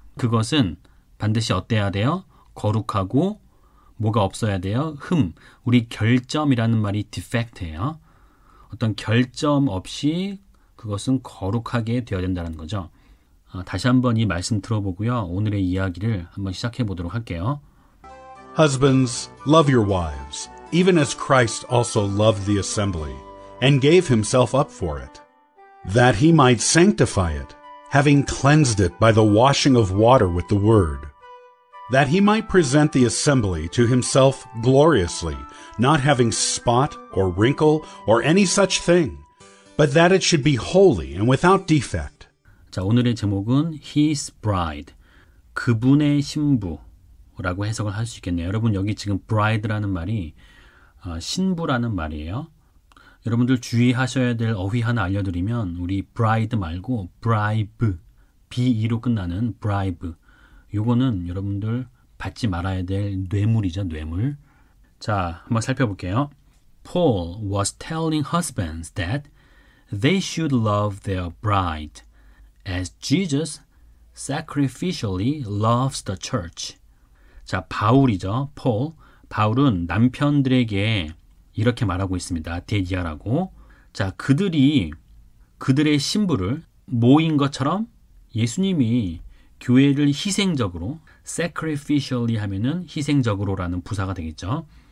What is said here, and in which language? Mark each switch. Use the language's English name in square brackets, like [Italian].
[Korean] 그것은 반드시 어때야 돼요? 거룩하고 뭐가 없어야 돼요? 흠. 우리 결점이라는 말이 디펙트예요. 어떤 결점 없이 그것은 거룩하게 되어야 된다는 거죠. 다시 한번 이 말씀 들어보고요. 오늘의 이야기를 한번 시작해 보도록 할게요. [English] Husbands, love your wives, even as Christ also loved the assembly and gave himself up for it, that he might sanctify it, having cleansed it by the washing of water with the word. That he might present the assembly to himself gloriously, not having spot or wrinkle or any such thing, but that it should be holy and without defect. [Korean] 자, 오늘의 제목은 [English] His Bride, [Korean] 그분의 신부라고 해석을 할 수 있겠네요. 여러분, 여기 지금 Bride라는 말이 신부라는 말이에요. 여러분들 주의하셔야 될 어휘 하나 알려드리면, 우리 Bride 말고 Bribe, B-E로 끝나는 Bribe, 요거는 여러분들 받지 말아야 될 뇌물이죠, 뇌물. 자, 한번 살펴볼게요. [English] Paul was telling husbands that they should love their bride as Jesus sacrificially loves the church. [Korean] 자, 바울이죠. Paul. 바울은 남편들에게 이렇게 말하고 있습니다. 데디아라고. 자, 그들이 그들의 신부를 모인 것처럼 예수님이 교회를 희생적으로, sacrificially 하면은 희생적으로라는 부사가 되겠죠.